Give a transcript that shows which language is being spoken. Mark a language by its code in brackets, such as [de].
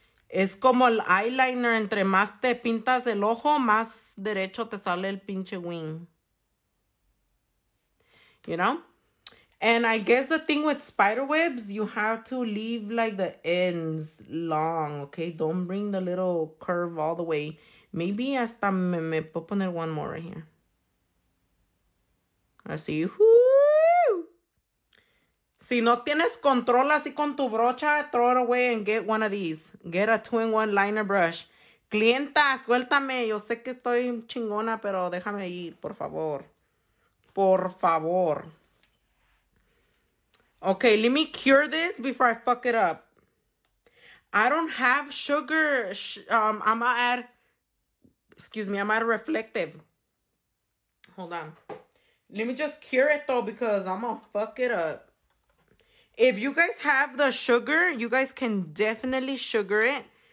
[es] Es como el eyeliner, entre más te pintas el ojo, más derecho te sale el pinche wing. [en] You know? And I guess the thing with spider webs, you have to leave like the ends long, okay? Don't bring the little curve all the way. Maybe [es] hasta me puedo poner [en] one more right here. [es] Así, whoo! Si no tienes control así con tu brocha, [en] throw it away and get one of these. Get a 2-in-1 liner brush. [es] Clienta, suéltame. Yo sé que estoy chingona, pero déjame ir, por favor. Por favor. [en] Okay, let me cure this before I fuck it up. I don't have sugar. I'm gonna add reflective. Hold on. Let me just cure it, though, because I'm gonna fuck it up. If you guys have the sugar, you guys can definitely sugar it.